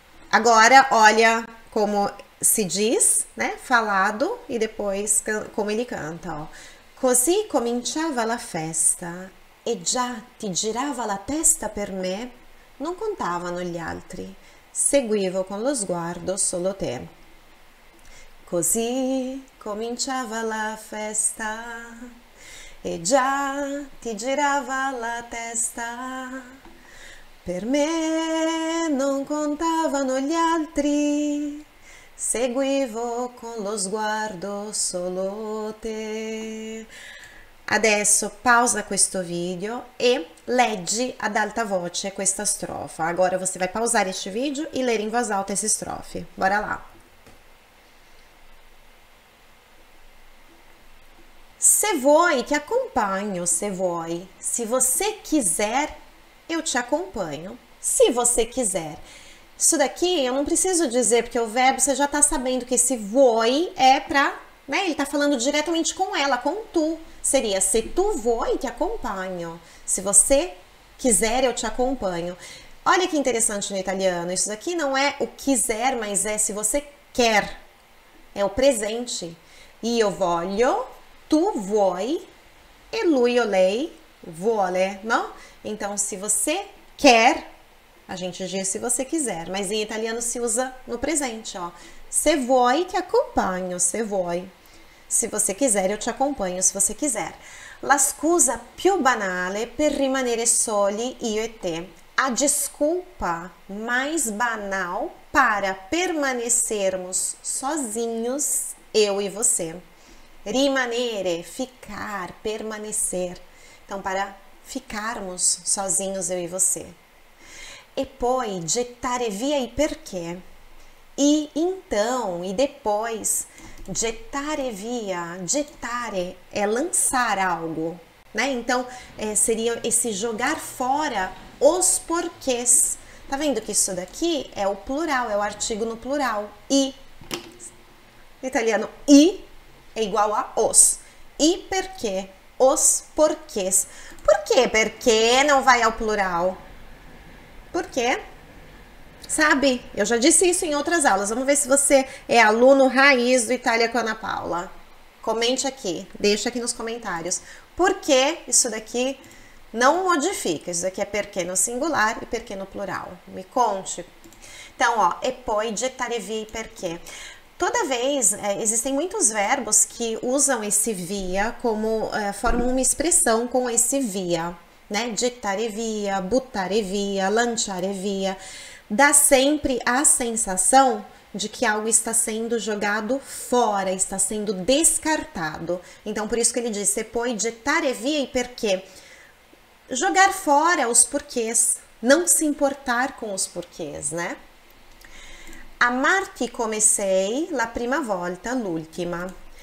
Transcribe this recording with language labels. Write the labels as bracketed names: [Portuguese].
[Portuguese] Agora, olha como se diz, né? Falado e depois como ele canta, ó. [Italian] Così cominciava la festa e già ti girava la testa per me, non contavano gli altri, seguivo con lo sguardo solo te. Così cominciava la festa e già ti girava la testa, per me non contavano gli altri. Seguivo con lo sguardo solo te. Adesso pausa questo video e leggi ad alta voce questa strofa. [Portuguese] Agora você vai pausar este vídeo e ler em voz alta esse estrofe. Bora lá. [Italian] Se vuoi, ti accompagno, se vuoi. [Portuguese] Se você quiser, eu te acompanho. Se você quiser. Isso daqui eu não preciso dizer, porque o verbo você já está sabendo que esse voi é para, né? Ele está falando diretamente com ela, com tu. Seria se tu voi, te acompanho. Se você quiser, eu te acompanho. Olha que interessante no italiano. Isso daqui não é o quiser, mas é se você quer. É o presente. [Italian] Io voglio, tu vuoi e lui o lei vuole, [Portuguese] não? Então, se você quer. A gente diz se você quiser, mas em italiano se usa no presente, ó. [Italian] Se vuoi, ti accompagno, se vuoi. [Portuguese] Se você quiser, eu te acompanho, se você quiser. [Italian] La scusa più banale per rimanere soli io e te. [Portuguese] A desculpa mais banal para permanecermos sozinhos, eu e você. Rimanere, ficar, permanecer. Então, para ficarmos sozinhos, eu e você. [Italian] E poi gettare via i perché. [Portuguese] E então, e depois, [Italian] gettare via. [Portuguese] Gettare é lançar algo, né? Então, seria esse jogar fora os porquês. Tá vendo que isso daqui é o plural, é o artigo no plural. E, italiano, i é igual a os. [Italian] I perché, [Portuguese] os porquês. Por que perché não vai ao plural? Porque, sabe, eu já disse isso em outras aulas. Vamos ver se você é aluno raiz do Itália com Ana Paula. Comente aqui, deixa aqui nos comentários. Por que isso daqui não modifica? Isso daqui é perché no singular e perché no plural. Me conte. Então, ó, [Italian] e poi gettare via i perché. [Portuguese] Toda vez, existem muitos verbos que usam esse via como formam uma expressão com esse via. Né? [Italian] Gettare via, buttare via, lanciare via, [Portuguese] dá sempre a sensação de que algo está sendo jogado fora, está sendo descartado. Então, por isso que ele diz, [Italian] se poi gettare via e perché? [Portuguese] Jogar fora os porquês, não se importar com os porquês, né? [Italian] Amarti comecei la prima volta, l'ultima.